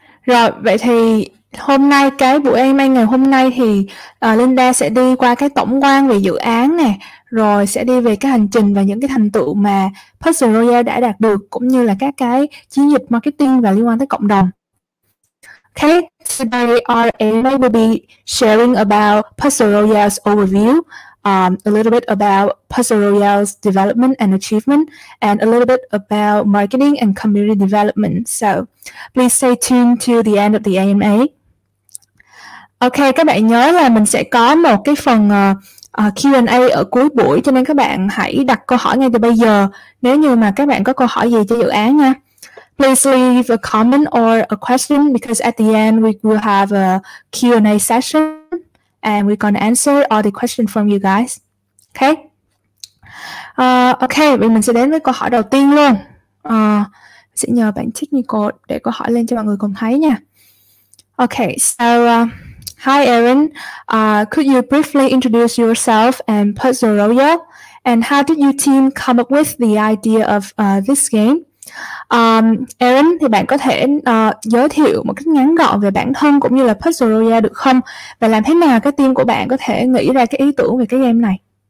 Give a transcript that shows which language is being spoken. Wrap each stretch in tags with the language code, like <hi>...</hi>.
<vi>Rồi, vậy thì hôm nay cái buổi AMA ngày hôm nay thì Linda sẽ đi qua cái tổng quan về dự án nè, rồi sẽ đi về cái hành trình và những cái thành tựu mà Puzzle Royale đã đạt được cũng như là các cái chiến dịch marketing và liên quan tới cộng đồng.</vi> <en>Okay, today our AMA will be sharing about Puzzle Royale's overview, a little bit about Puzzle Royale's development and achievement, and a little bit about marketing and community development. So, please stay tuned to the end of the AMA.</en> <vi>Okay, các bạn nhớ là mình sẽ có một cái phần Q&A ở cuối buổi, cho nên các bạn hãy đặt câu hỏi ngay từ bây giờ nếu như mà các bạn có câu hỏi gì cho dự án nha.</vi> <en>Please leave a comment or a question because at the end we will have a Q&A session and we're going to answer all the questions from you guys. Okay?</en> <vi>Okay, vậy mình sẽ đến với câu hỏi đầu tiên luôn. Sẽ nhờ bạn technical để câu hỏi lên cho mọi người cùng thấy nha.</vi> <en>Okay, so hi Aaron, could you briefly introduce yourself and Puzzle Royale and how did your team come up with the idea of this game?</en> <vi>Aaron, thì bạn có thể giới thiệu một cách ngắn gọn về bản thân cũng như là Puzzle Royale được không? Và làm thế nào cái team của bạn có thể nghĩ ra cái ý tưởng về cái game này?</vi>